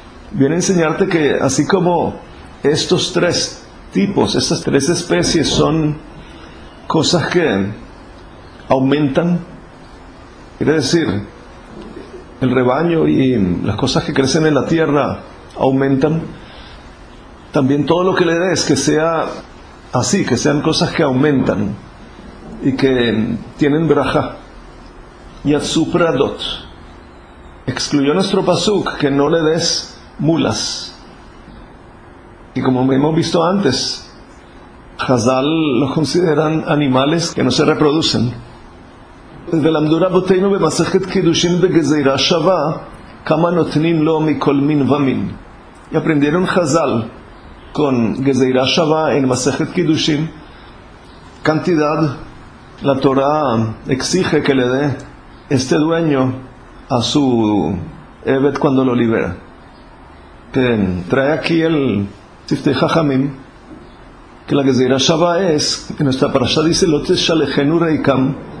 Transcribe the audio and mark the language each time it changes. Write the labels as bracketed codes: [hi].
[es] Viene a enseñarte que así como estos 3 tipos, estas 3 especies son cosas que aumentan, quiere decir, el rebaño y las cosas que crecen en la tierra aumentan, también todo lo que le des, que sea así, que sean cosas que aumentan y que tienen braja. Yatsupradot. Excluyó nuestro pasuk que no le des mulas. Y como hemos visto antes, Hazal los consideran animales que no se reproducen. [he] ולמדורה בותינו במסכת קידושין בגזירה שווה כמה נותנים לו מכל מין ומין. [es] Aprendieron Hazal con Gezeira Shava en Masechet Kiddushin cantidad. La Torah exige que le dé este dueño a su Eved cuando lo libera. Que trae aquí el Siftei Hajamim que la Gezeira Shava es que nuestra parasha dice [he] Lotes Shalechenu Reikam.